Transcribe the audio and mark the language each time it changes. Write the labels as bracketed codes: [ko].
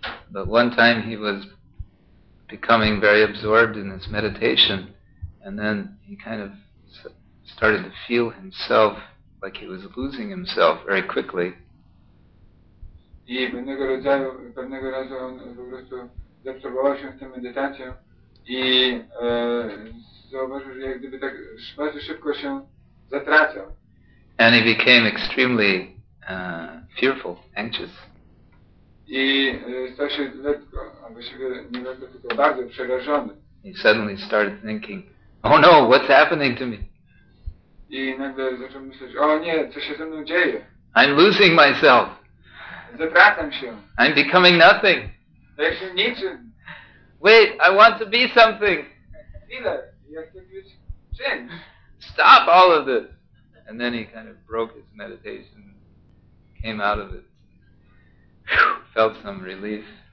[en] But one time he was becoming very absorbed in his meditation, and then he kind of started to feel himself like he was losing himself very quickly. [pl] I pewnego rodzaju, pewnego razu on po prostu zaobserwował się w tej medytacji i zauważył, że jak gdyby tak bardzo szybko się zatracał. [en] And he became extremely fearful, anxious. [pl] I stał się lekko, a właściwie nie lekko, tylko bardzo przerażony. [en] He suddenly started thinking, oh no, what's happening to me? [pl] I nagle zaczął myśleć, o nie, co się ze mną dzieje? [en] I'm losing myself. [pl] Zatracam się. [en] I'm becoming nothing. [pl] Ja się niczym. [en] Wait, I want to be something. [pl] Chwilę, ja chcę być czymś. [en] Stop all of this. And then he kind of broke his meditation, came out of it, felt some relief.